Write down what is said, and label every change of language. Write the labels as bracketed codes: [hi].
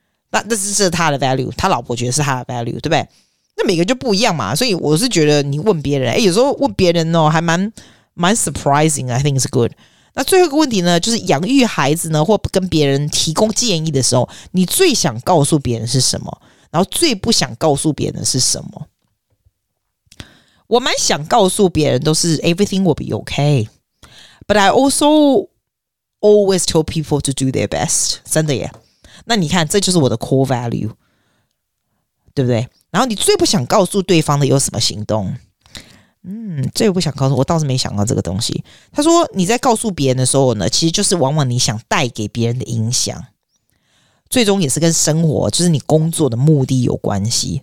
[zh] 那这是他的 value， 他老婆觉得是他的 value， 对不对？那每个就不一样嘛，所以我是觉得你问别人，有时候问别人哦，还蛮 surprising， [en] I think it's good。 [zh] 那最后一个问题呢，就是养育孩子呢或跟别人提供建议的时候，你最想告诉别人是什么，然后最不想告诉别人是什么。我蛮想告诉别人都是 [en] everything will be okay， but I also always tell people to do their best， [zh] 真的耶。那你看，这就是我的 core value， 对不对？然后你最不想告诉对方的有什么行动？最不想告诉我倒是没想到这个东西。他说你在告诉别人的时候呢，其实就是往往你想带给别人的影响，最终也是跟生活就是你工作的目的有关系。